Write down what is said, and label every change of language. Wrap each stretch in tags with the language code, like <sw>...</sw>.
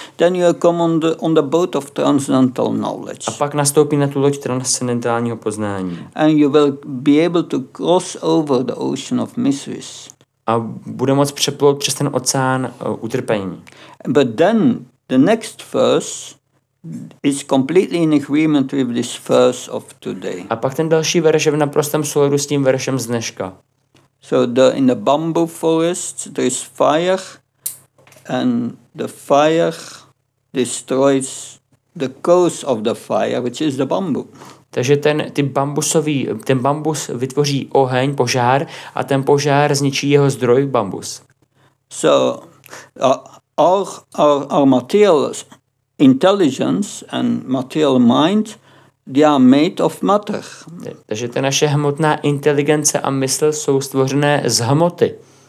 <en>Then you come on the boat of transcendental knowledge.</en> <cs>A pak nastoupí na tu loď transcendentálního poznání.</cs> <en>And you will be able to cross over the ocean of miseries.</en> <cs>A bude moct přeplout přes ten oceán utrpení.</cs> <en>But then the next verse is completely in agreement with this verse of today.</en> <cs>A pak ten další verš je v naprostém souladu s tím veršem z dneška.</cs> <en>So the in the bamboo forest there is fire and the fire destroys the cause of the fire, which is the bamboo.</en> <cs>Takže ten bambus vytvoří oheň, požár a ten požár zničí jeho zdroj bambus.</cs> <en>So our material intelligence and material mind, they are made of matter.</en> <cs>Takže ta naše hmotná inteligence a mysl jsou stvořené z hmoty.</cs>